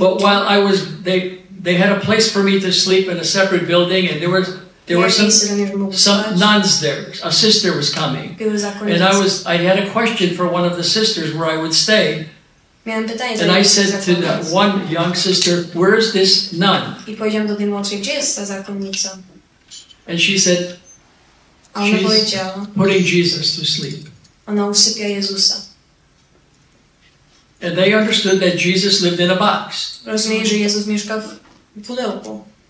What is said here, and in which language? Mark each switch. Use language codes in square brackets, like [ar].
[en] But while I was, they had a place for me to sleep in a separate building, and there were some nuns there. A sister was coming. And I had a question for one of the sisters where I would stay. [pl] Miałam pytanie, [en] and I said to the one young sister, where is this nun? [pl] I powiedziałam do tej młodszej, gdzie jest ta zakonnica? [en] And she said, she's putting Jesus to sleep. [pl] Ona usypia Jezusa. [en] And they understood that Jesus lived in a box. [pl] Rozumieli, że Jezus mieszka w pudełku.